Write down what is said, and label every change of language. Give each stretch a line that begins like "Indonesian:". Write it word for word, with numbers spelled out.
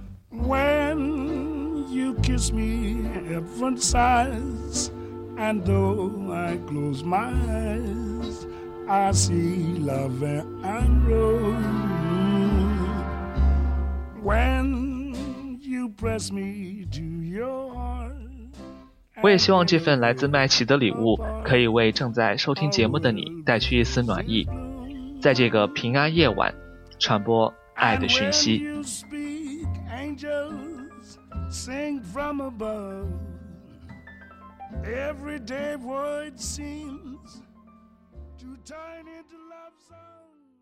English: When you kiss me, heaven sighs, and though I close my eyes, I see Lavian Rose. When you press me to your heart.
Chinese: 我也希望这份来自麦琪的礼物可以为正在收听节目的你带去一丝暖意，在这个平安夜晚传播爱的讯息。
English: And when you speak, angels sing from above. Everyday word seems to turn into love songs.